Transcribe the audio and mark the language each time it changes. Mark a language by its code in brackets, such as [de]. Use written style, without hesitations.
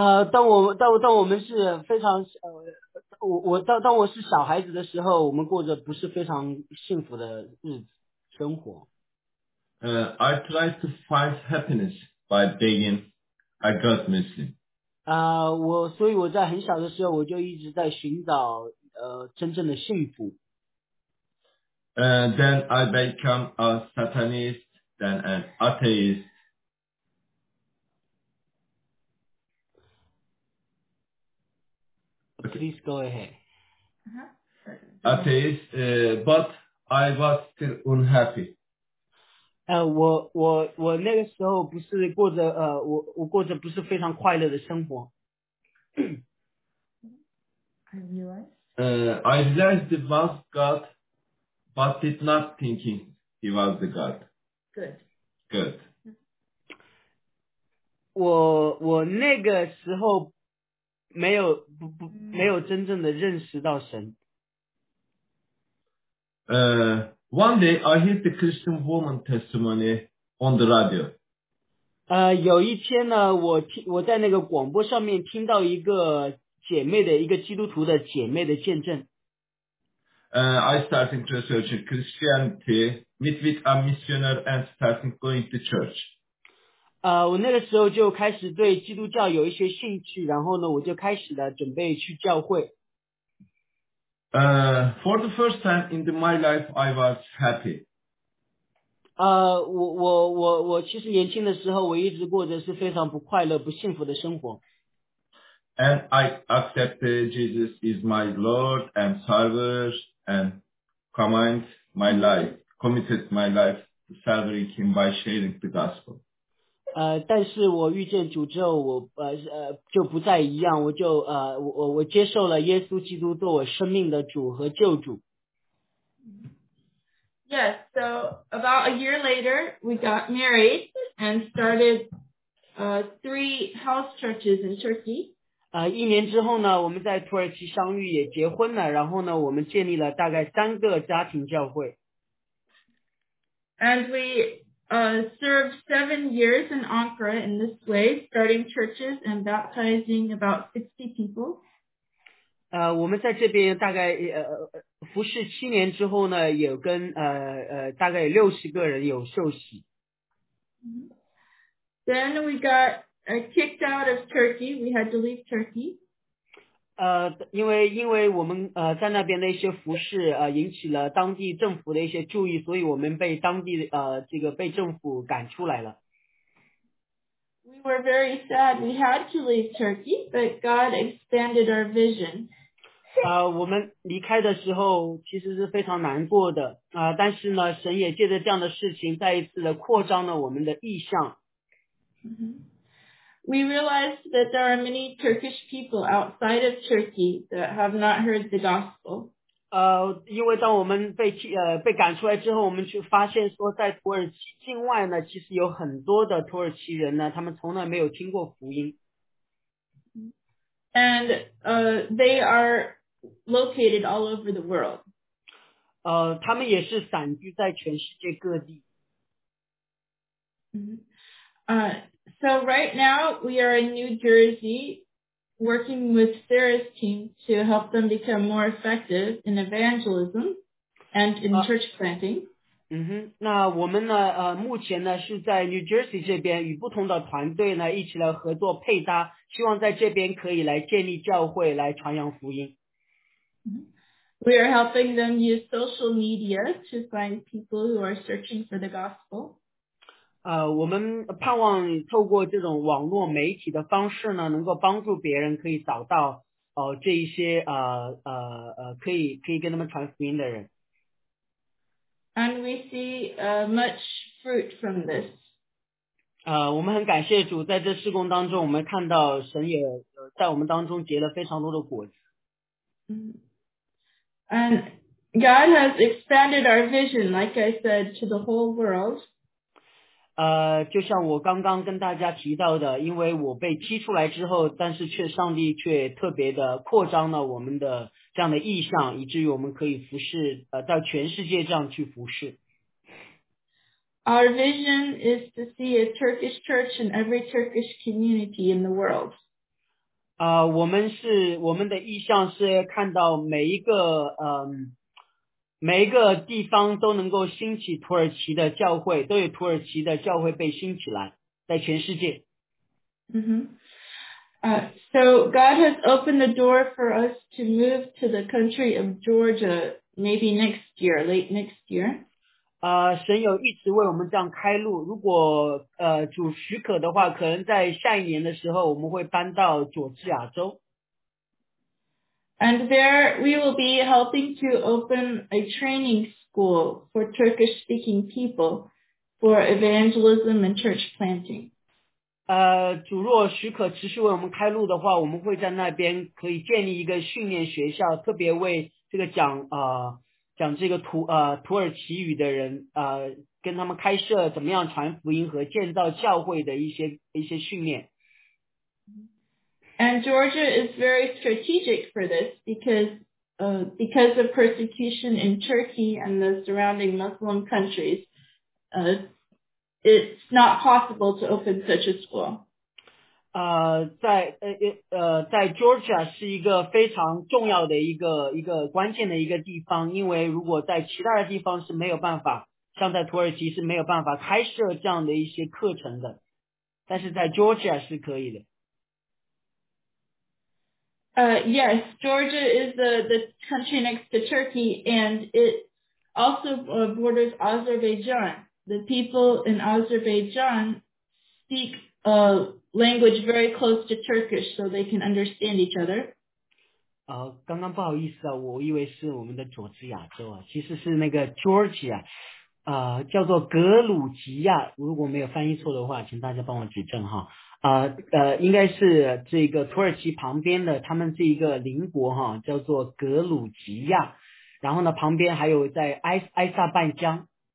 [zh] 当我是小孩子的时候，我们过着不是非常幸福的日子生活。 [en] I tried to find happiness by being a God Muslim. [zh] 所以我在很小的时候我就一直在寻找真正的幸福。 [en] Then I became a Satanist, then an atheist. Please go ahead. Atheist, but I was still unhappy. [zh] 我那个时候不是过着我过着不是非常快乐的生活。 [en] I realized it was God, but did not thinking he was the God. Good. Good. [zh] 我那个时候。没有真正的认识到神。 [en] One day I hear the Christian woman testimony on the radio. [zh] 有一天呢，我在那个广播上面听到一个基督徒的姐妹的见证。 [en] I started researching Christianity, meet with a missionary, and started going to church. [zh] 我那个时候就开始对基督教有一些兴趣，然后呢，我就开始了准备去教会。 [en] For the first time in my life, I was happy. [zh] 我其实年轻的时候，我一直过着是非常不快乐、不幸福的生活。 [en] And I accepted Jesus is my Lord and Savior and commanded my life, committed my life to serving Him by sharing the gospel. [zh] 但是我遇见主之后，我就不再一样，我就我接受了耶稣基督做我生命的主和救主。 [en] Yes, so about a year later, we got married and started three house churches in Turkey. [zh] 一年之后呢，我们在土耳其相遇，也结婚了，然后呢，我们建立了大概三个家庭教会。 [en] And we served 7 years in Ankara in this way, starting churches and baptizing about 60 people. [zh] 我们在这边大概服侍七年之后呢，也跟大概有60个人有受洗。 [en] Then we got kicked out of Turkey. We had to leave Turkey. [zh] 因为我们在那边的一些服侍引起了当地政府的一些注意，所以我们被当地这个被政府赶出来了。 [en] We were very sad. We had to leave Turkey, but God expanded our vision. [zh] 我们离开的时候其实是非常难过的但是呢，神也借着这样的事情再一次的扩张了我们的意向。 [en] We realized that there are many Turkish people outside of Turkey that have not heard the gospel. [zh] 因为当我们被赶出来之后，我们去发现说，在土耳其境外呢，其实有很多的土耳其人呢，他们从来没有听过福音。 [en] And they are located all over the world. [zh] 他们也是散居在全世界各地。 [en] So right now we are in New Jersey, working with Sarah's team to help them become more effective in evangelism and in church planting. [zh] 那我们呢？目前呢是在 New Jersey 这边与不同的团队呢一起来合作配搭。希望在这边可以来建立教会，来传扬福音。 [en] We are helping them use social media to find people who are searching for the gospel. [zh] 我们盼望透过这种网络媒体的方式呢，能够帮助别人可以找到这一些可以跟他们传福音的人。 [en] And we see much fruit from this. [zh] 我们很感谢主，在这事工当中，我们看到神也在我们当中结了非常多的果子。 [en] And God has expanded our vision, like I said, to the whole world. [zh] 就像我刚刚跟大家提到的，因为我被踢出来之后，但是却上帝却特别的扩张了我们的这样的意向，以至于我们可以服侍到全世界这样去服侍。 [en] Our vision is to see a Turkish church in every Turkish community in the world. [zh] 我们的意向是看到每一个每一个地方都能够兴起土耳其的教会，都有土耳其的教会被兴起来，在全世界。 [en] So God has opened the door for us to move to the country of Georgia, maybe next year, late next year. [zh] 神有一直为我们这样开路，如果主许可的话，可能在下一年的时候我们会搬到佐治亚州。 [en] And there we will be helping to open a training school for Turkish speaking people for evangelism and church planting. [zh] 主若许可持续为我们开路的话，我们会在那边可以建立一个训练学校，特别为这个讲这个土耳其语的人跟他们开设怎么样传福音和建造教会的一些训练。 [en] And Georgia is very strategic for this because of persecution in Turkey and the surrounding Muslim countries, it's not possible to open such a school. [zh] 在 Georgia 是一个非常重要的一个关键的一个地方，因为如果在其他的地方是没有办法，像在土耳其是没有办法开设这样的一些课程的，但是在 Georgia 是可以的。 [en] Yes, Georgia is the country next to Turkey, and it also borders Azerbaijan, the people in Azerbaijan speak a language very close to Turkish so they can understand each other. [zh] 刚刚不好意思啊，我以为是我们的佐治亚州啊，其实是那个 Georgia， 叫做格鲁吉亚，如果没有翻译错的话，请大家帮我举证哈。应该是这个土耳其旁边的他们这一个邻国哈，叫做格鲁吉亚，然后呢旁边还有在埃塞拜疆。